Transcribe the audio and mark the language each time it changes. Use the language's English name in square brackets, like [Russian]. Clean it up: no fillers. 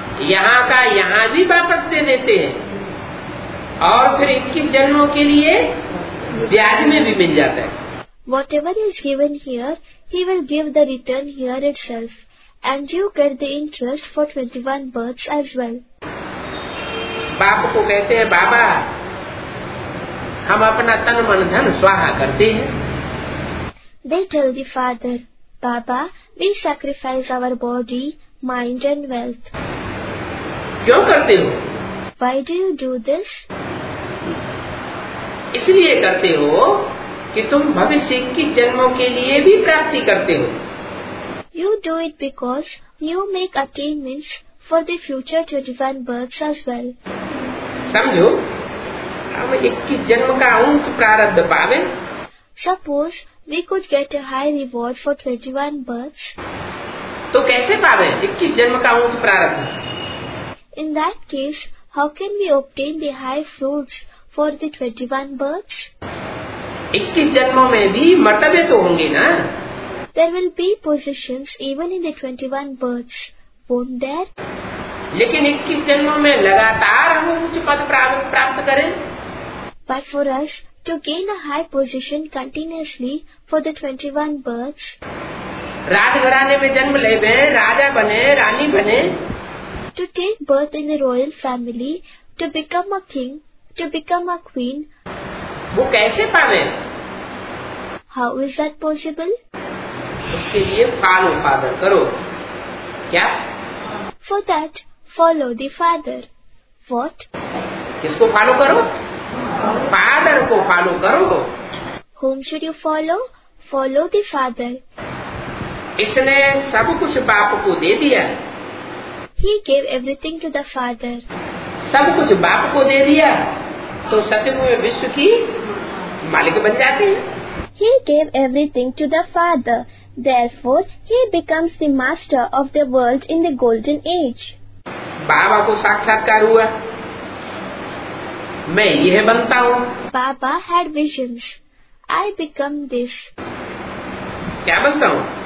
[Hindi] यहाँ का यहाँ भी वापस दे देते हैं और फिर 21 जन्मों के लिए ब्याज में भी मिल जाता है। [English] Whatever is given here, he will give the return here itself, and you get the interest for 21 births as well. [Hindi] बाप को कहते हैं बाबा, हम अपना तन मन धन स्वाहा करते हैं। [English] They tell the father, Baba, we sacrifice our body, mind and wealth. [Hindi] क्यों करते हो? [English] Why do you do this? [Hindi] इसलिए करते हो कि तुम भविष्य की जन्मों के लिए भी प्राप्ति करते हो। [English] You do it because you make attainments for the future 21 births as well. [Hindi] समझो, हम 21 जन्म का उच्च प्रारब्ध पावे। [English] Suppose we could get a high reward for 21 births. [Hindi] तो कैसे पावे 21 जन्म का उच्च प्रारब्ध? [English] In that case, how can we obtain the high fruits for the 21 births? [Hindi] 21 जन्मों में भी मर्तबे तो होंगे ना? [English] There will be positions even in the 21 births, won't there? [Hindi] लेकिन 21 जन्मों में लगातार हम उच्च पद प्राप्त करें? [English] But for us to gain a high position continuously for the 21 births, [Hindi] राजघराने में जन्म लेवे, राजा बने, रानी बने, [English] to take birth in the royal family, to become a king, to become a queen, [Hindi] वो कैसे पावे? [English] How is that possible? [Hindi] उसके लिए [English] follow father [Hindi] करो। क्या? [English] For that, follow the father. What? [Hindi] किसको फॉलो करो? फादर को फॉलो करो. [English] Whom should you follow? Follow the father. [Hindi] इसने सब कुछ बाप को दे दिया. [English] He gave everything to the father. [Hindi] सब कुछ बाप को दे दिया तो सत्युग में विश्व की मालिक बन जाती [English] है. He gave everything to the father. Therefore, he becomes the master of the world in the golden age. [Hindi] बाबा को साक्षात्कार हुआ. मैं यह बनता हूँ. [English] Baba had visions. I become this. [Hindi] क्या बनता हूँ?